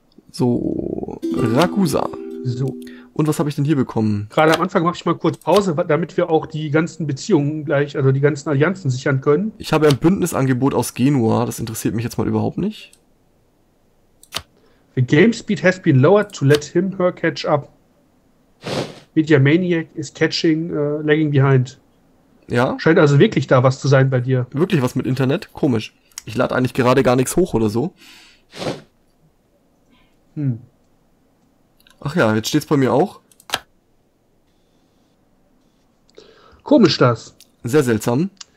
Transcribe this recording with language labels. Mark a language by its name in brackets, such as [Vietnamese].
[German] So, Ragusa. So. Und was habe ich denn hier bekommen? Gerade am Anfang mache ich mal kurz Pause, damit wir auch die ganzen Beziehungen gleich, also die ganzen Allianzen sichern können. Ich habe ein Bündnisangebot aus Genua, das interessiert mich jetzt mal überhaupt nicht. [English] The game speed has been lowered to let him her catch up. Media Maniac is lagging behind. [German] Ja? Scheint also wirklich da was zu sein bei dir. Wirklich was mit Internet? Komisch. Ich lade eigentlich gerade gar nichts hoch oder so. Ach ja, jetzt steht's bei mir auch. Komisch das. Sehr seltsam.